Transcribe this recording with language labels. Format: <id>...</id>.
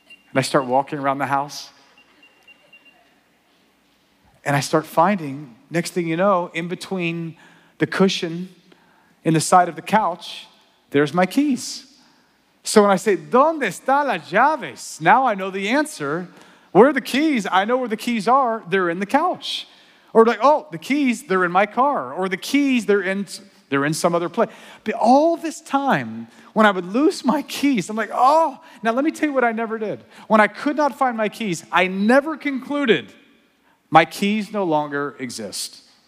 <en>And I start walking around the house, and I start finding, next thing you know, in between the cushion in the side of the couch, there's my keys. So when I say,</en> <es>¿dónde están las llaves?</es> <en>Now I know the answer. Where are the keys? I know where the keys are. They're in the couch. Or like, oh, the keys, they're in my car. Or the keys, they're in some other place. But all this time, when I would lose my keys, I'm like, oh. Now let me tell you what I never did. When I could not find my keys, I never concluded my keys no longer exist.</en>